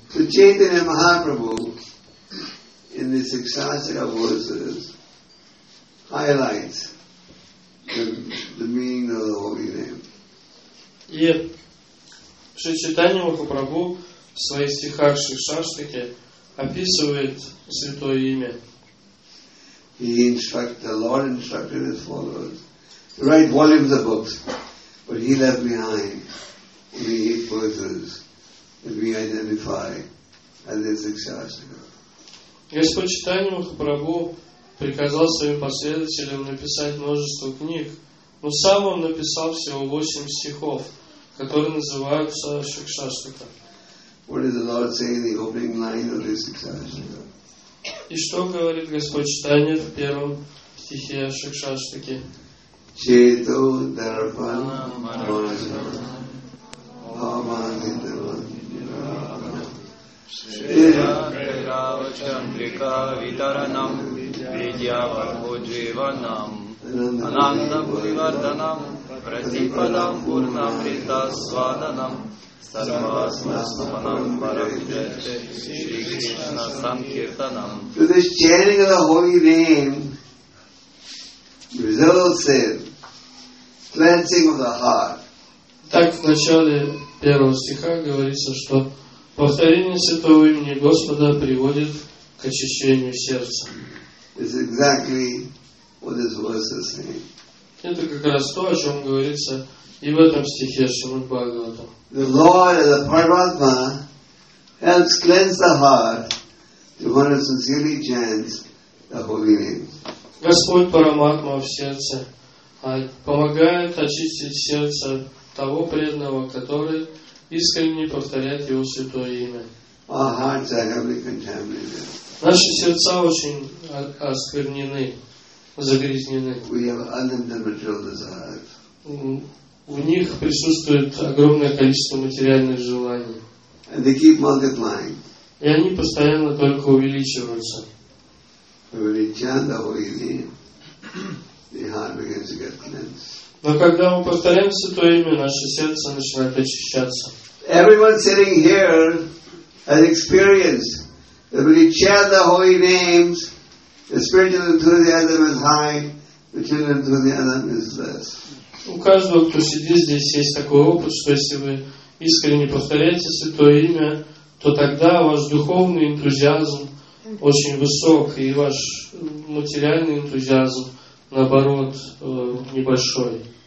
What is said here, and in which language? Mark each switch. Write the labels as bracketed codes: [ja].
[en] So Chaitanya Mahaprabhu in the Sikshastra verses highlights the meaning of the holy name. [ru] И Шри Чайтанья Махапрабху в своих стихах Шикшаштике описывает Святое Имя. [en] The Lord instructed his followers to write volumes of books, but he left behind the 8 verses that we identify as the Sikshastra. [ru] Господь Чайтанья Махапрабху приказал своим последователям написать множество книг, но сам он написал всего 8 стихов, которые называются Шикшаштика. [en] What is the Lord saying in the opening line of the Шикшаштика? [ru] И что говорит Господь Чайтанья в первом стихе Шикшаштики? [sa] Чето дарпан маржан бхаванитаван Shriya Kairava Chandrika Vitaranam Vidya Varbhojivanam Ананда Буриварданам, Пратипадам Пурнамрита Сваданам, [en] So this chanting of the holy name results in cleansing of the heart. [ru] Так в начале первого стиха говорится, что повторение святого имени Господа приводит к очищению сердца. [en] It's exactly what this verse is saying. [ru] Это как раз то, о чем говорится и в этом стихе Шримад-Бхагаватам. [en] The Lord, the Paramatma, helps cleanse the heart to one who sincerely chants the holy name. [ru] Господь Параматма в сердце помогает очистить сердце того преданного, который искренне повторяет его святое имя. [en] Our hearts are heavily contaminated. [ru] Наши сердца очень осквернены, загрязнены. [en] We have unlimited material desires. [ru] В них присутствует огромное количество материальных желаний. [en] And they keep multiplying. [ru] И они постоянно только увеличиваются. [en] When you chant the holy name, your heart begins to get cleansed. [ru] Но когда мы повторяем святое имя, наше сердце начинает очищаться. [en] Everyone sitting here has experienced that when you chant the holy names, the spiritual enthusiasm is high, the material enthusiasm is less. [ru] У каждого, кто сидит здесь, есть такой опыт, что если вы искренне повторяете святое имя, то тогда ваш духовный энтузиазм очень высок, и ваш материальный энтузиазм, наоборот, небольшой.